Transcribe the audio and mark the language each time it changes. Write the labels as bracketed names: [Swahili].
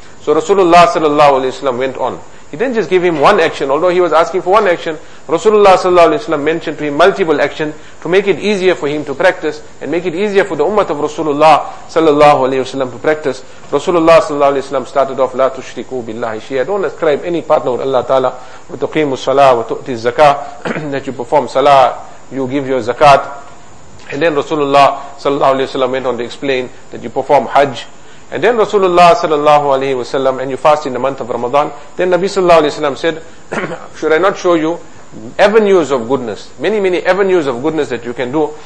[English] So Rasulullah sallallahu alayhi wa sallam went on. He didn't just give him one action, although he was asking for one action. Rasulullah sallallahu alayhi wa sallam mentioned to him multiple actions to make it easier for him to practice and make it easier for the ummah of Rasulullah sallallahu alayhi wa sallam to practice. Rasulullah sallallahu alayhi wa sallam started off, [Arabic] لا تشركوا بالله شيئا. [English] Don't ascribe any partner with Allah Ta'ala. [Arabic] وتقيم الصلاة وتؤتي الزكاة. [English] That you perform salah, you give your zakat. And then Rasulullah sallallahu alayhi wa sallam went on to explain that you perform hajj. And then Rasulullah sallallahu alayhi wa sallam, and you fast in the month of Ramadan. Then Nabi sallallahu alayhi wa sallam said, should I not show you avenues of goodness, many, many avenues of goodness that you can do?